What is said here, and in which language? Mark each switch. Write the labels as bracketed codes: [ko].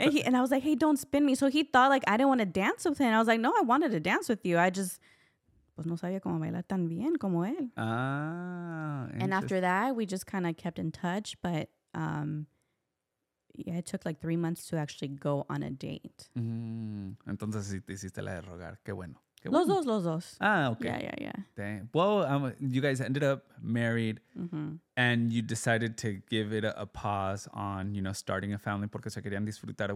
[en] And I was like, hey, don't spin me. So he thought, like, I didn't want to dance with him. I was like, no, I wanted to dance with you. I just... [es] Pues no sabía cómo bailar tan bien como él. [en] And after that, we just kind of kept in touch. But... Yeah, it took like 3 months to actually go on a date. [es] Entonces, si te hiciste la de rogar. Qué bueno. Los dos. Ah, okay. [en] Yeah. Well, you guys ended up married and you decided to give it a pause on, you know, starting a family [es] porque se querían disfrutar.